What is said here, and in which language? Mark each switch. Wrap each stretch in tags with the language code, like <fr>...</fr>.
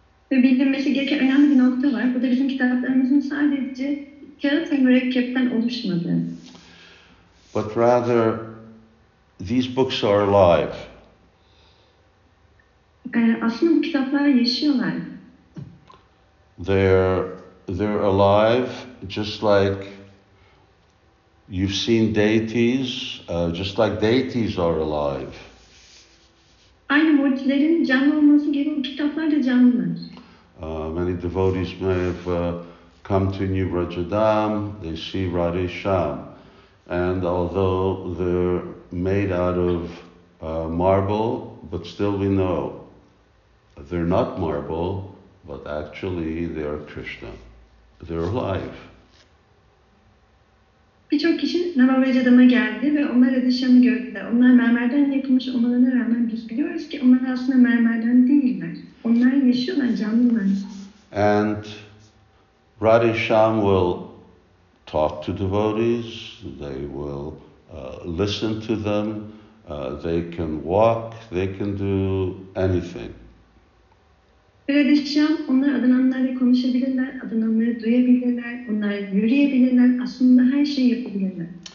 <tr>Ve bilinmesi gereken önemli bir nokta var. Bu da bizim kitaplarımızın sadece kağıt ve mürekkepten oluşmadığı.</tr> <en>But rather, these books are alive.</en> <tr>Aslında bu kitaplar yaşıyorlar.</tr> <en>They're alive, just like you've seen deities, just like deities are alive.</en> <tr>Aynı mucizelerin canlı olması gibi kitaplar da canlılar.</tr> <en>Many devotees may have come to New Rajadam, they see Radhe Shyam. And although they're made out of marble, but still we know they're not marble, but actually they are Krishna. They're alive.</en> <tr>Birçok kişi Nava Rajadam'a geldi ve onlar Radhe Shyam'ı gördüler. Onlar mermerden yapılmış olmalarına rağmen biz biliyoruz ki onlar aslında mermerden değiller.</tr> <en>And Radhe Shyam will talk to devotees, they will listen to them, they can walk, they can do anything.</en> <tr>Radhe Shyam, onlar adananları konuşabilirler, adananları duyabilirler, onlar yürüyebilirler, aslında her şeyi yapabilirler.</tr>